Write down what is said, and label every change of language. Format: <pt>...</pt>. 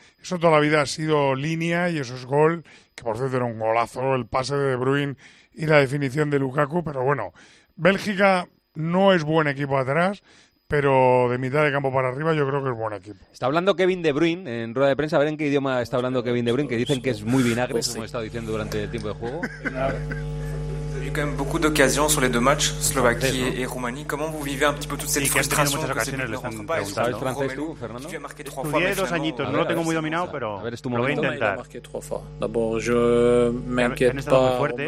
<es>Eso toda la vida ha sido línea y eso es gol, que por cierto era un golazo, el pase de De Bruyne y la definición de Lukaku, pero bueno, Bélgica no es buen equipo atrás, pero de mitad de campo para arriba yo creo que es buen equipo. Está hablando Kevin De Bruyne en rueda de prensa, a ver en qué idioma está hablando Kevin De Bruyne, que dicen que es muy vinagre, pues sí. Como he estado diciendo durante el tiempo de juego.</es> <fr>Il y a quand même beaucoup d'occasions sur les deux matchs, Slovaquie et Roumanie. Comment vous vivez un petit peu toute cette frustration que ce n'est pas</fr> <es>Europa? ¿Sabes francés tú, Fernando? Estudié dos añitos, no lo tengo muy dominado, pero lo voy a intentar.</es> <fr>D'abord, je ne m'inquiète pas.</fr>